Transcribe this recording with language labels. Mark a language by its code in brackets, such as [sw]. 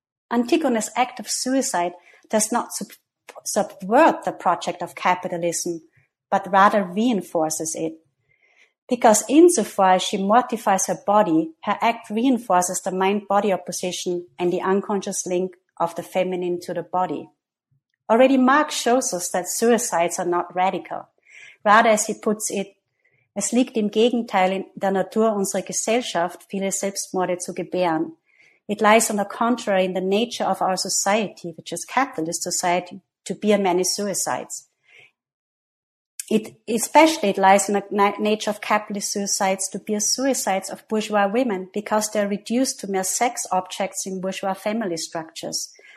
[en] Antigone's act of suicide does not subvert the project of capitalism, but rather reinforces it. Because insofar as she mortifies her body, her act reinforces the mind-body opposition and the unconscious link of the feminine to the body. Already Marx shows us that suicides are not radical. Rather, as he puts it, [de] es liegt im Gegenteil in der Natur unserer Gesellschaft, viele Selbstmorde zu gebären. [en] It lies on the contrary in the nature of our society, which is capitalist society, to bear many suicides. It especially lies in the nature of capitalist suicides to bear suicides of bourgeois women because they are reduced to mere sex objects in bourgeois family structures.